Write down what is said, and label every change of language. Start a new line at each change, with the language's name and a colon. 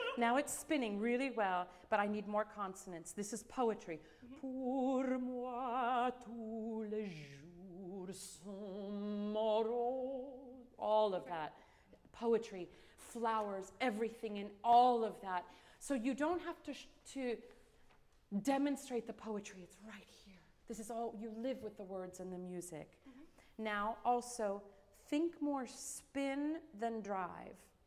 English: Now it's spinning really well, but I need more consonants. This is poetry. Mm-hmm.
French: Pour moi tous les jours sont morose.
English: All of that. Poetry. Flowers, everything in all of that. So you don't have to demonstrate the poetry. It's right here. This is all, you live with the words and the music. Mm-hmm. Now, also, think more spin than drive.